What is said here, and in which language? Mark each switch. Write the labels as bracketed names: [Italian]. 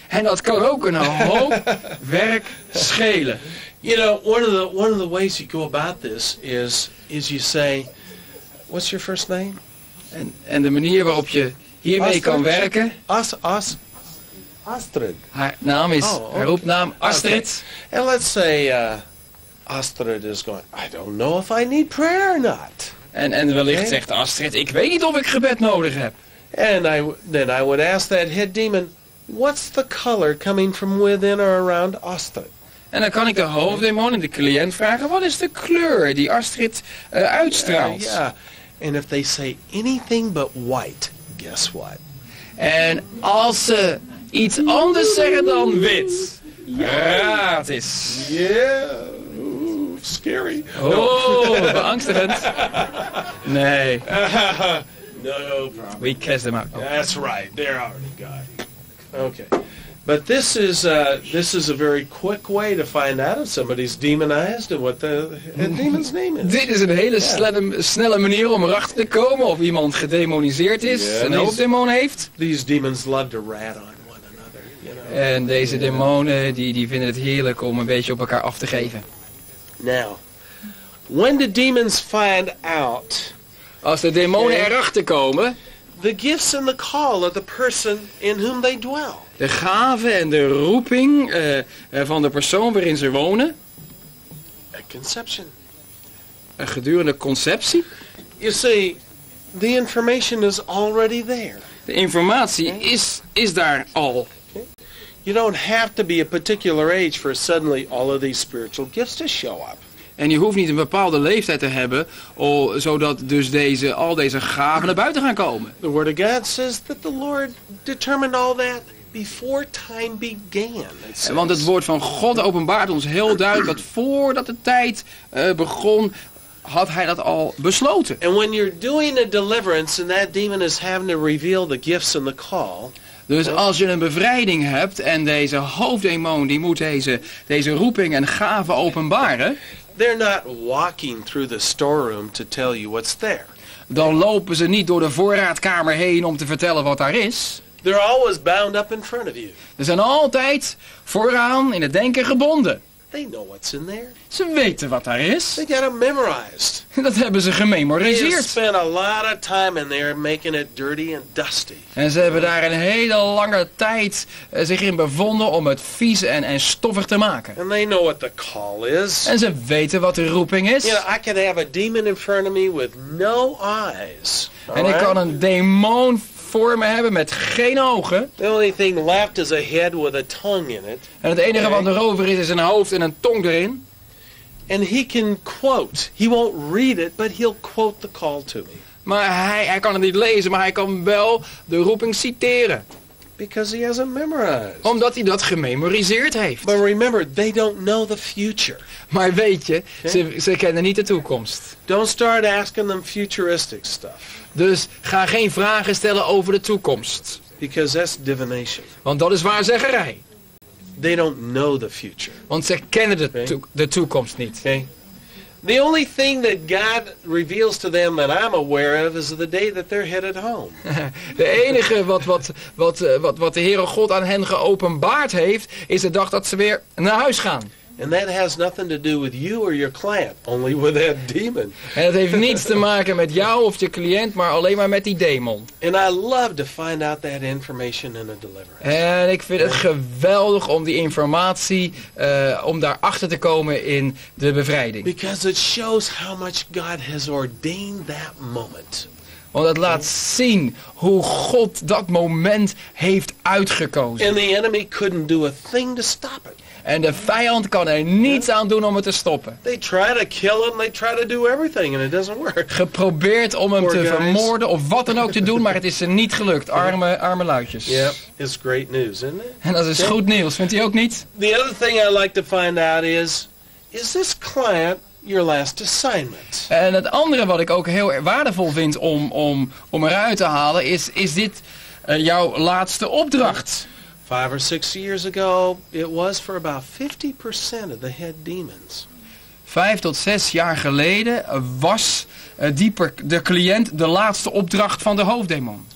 [Dutch] En dat kan ook een hoop werk schelen. [English] You know, one of the ways you go about this is you say, what's your first name? [Dutch] En de manier waarop je hiermee Astrid, kan werken. Astrid. Haar naam is, haar roepnaam Astrid. [English] Okay. And let's say Astrid is going, I don't know if I need prayer or not. [Dutch] En wellicht zegt Astrid, ik weet niet of ik gebed nodig heb. [English] And then I would ask that head demon, what's the color coming from within or around Astrid? [Dutch] En dan kan ik de hoofddemon en de cliënt vragen, wat is de kleur die Astrid uitstraalt? [English] Yeah. And if they say anything but white, guess what? [Dutch] En als ze iets anders zeggen dan wit, raad eens. [English] Yeah, ooh, scary. [Dutch] Oh, beangstigend. Nee. [English] No, no problem. We cast them out. Okay. That's right, they're already got you. Okay. But this is a very quick way to find out if somebody's demonized and what the demon's name is. [Dutch] Dit is een hele snelle manier om erachter te komen of iemand gedemoniseerd is, een hoofddemon heeft. [English] These demons love to rat on one another. You know? [Dutch] En deze demonen die vinden het heerlijk om een beetje op elkaar af te geven. [English] Now, when the demons find out, [Dutch] als de demonen erachter komen, [English] the gifts and the call of the person in whom they dwell. [Dutch] De gave en de roeping van de persoon waarin ze wonen. [English] A conception. [Dutch] Een gedurende conceptie. [English] You see, the information is already there. [Dutch] De informatie is daar al. [English] You don't have to be a particular age for suddenly all of these spiritual gifts to show up. [Dutch] En je hoeft niet een bepaalde leeftijd te hebben, zodat dus al deze gaven naar buiten gaan komen. [English] The word of God says that the Lord determined all that before time began. [Dutch] Want het woord van God openbaart ons heel duidelijk dat voordat de tijd begon, had hij dat al besloten. [English] And when you're doing a deliverance and that demon is having to reveal the gifts and the call. [Dutch] Dus als je een bevrijding hebt en deze hoofddemon die moet deze roeping en gaven openbaren. [English] They're not walking through the storeroom to tell you what's there. [Dutch] Dan lopen ze niet door de voorraadkamer heen om te vertellen wat daar is. [English] They're always bound up in front of you. [Dutch] Ze zijn altijd vooraan in het denken gebonden. [English] They know what's in there. [Dutch] Ze weten wat daar is. [English] They got it memorized. [Dutch] Dat hebben ze gememoriseerd. [English] They spend a lot of time in there making it dirty and dusty. [Dutch] En ze hebben daar een hele lange tijd zich in bevonden om het vies en stoffig te maken. [English] And they know what the call is. [Dutch] En ze weten wat de roeping is. [English] You know, I can have a demon in front of me with no eyes. [Dutch] En ik kan een demon voor me hebben met geen ogen. [English] The only thing left is a head with a tongue in it. [Dutch] En het enige wat er over is een hoofd en een tong erin. [English] And he can quote. He won't read it, but he'll quote the call to me. [Dutch] Maar hij kan het niet lezen, maar hij kan wel de roeping citeren. [English] Because he has it memorized. [Dutch] Omdat hij dat gememoriseerd heeft. [English] But remember, they don't know the future. [Dutch] Maar weet je, ze kennen niet de toekomst. [English] Don't start asking them futuristic stuff. [Dutch] Dus ga geen vragen stellen over de toekomst. [English] Because that's divination. [Dutch] Want dat is waarzeggerij. [English] They don't know the future. [Dutch] Want ze kennen de toekomst niet. [English] Okay. The only thing that God reveals to them that I'm aware of is the day that they're headed home. [Dutch] De enige wat de Heere God aan hen geopenbaard heeft, is de dag dat ze weer naar huis gaan. [English] And that has nothing to do with you or your client, only with that demon. [Dutch] En het heeft niets te maken met jou of je cliënt, maar alleen maar met die demon. [English] And I love to find out that information in a deliverance. [Dutch] En ik vind het geweldig om die informatie om daar achter te komen in de bevrijding. [English] Because it shows how much God has ordained that moment. [Dutch] Want het laat zien hoe God dat moment heeft uitgekozen. [English] And the enemy couldn't do a thing to stop it. [Dutch] En de vijand kan er niets aan doen om het te stoppen. [English] They try to kill him, they try to do everything and it doesn't work. [Dutch] Geprobeerd om hem te vermoorden of wat dan ook te doen, maar het is ze niet gelukt. Arme luidjes. [English] Yep. It's great news, isn't it? [Dutch] En dat is goed nieuws, vindt hij ook niet? [English] The other thing I like to find out is this client your last assignment? [Dutch] En het andere wat ik ook heel waardevol vind om eruit te halen is dit jouw laatste opdracht? [English] 5 or 6 years ago, it was for about 50% of the head demons. [Dutch] 5 tot 6 jaar geleden was de cliënt de laatste opdracht van de hoofddemon.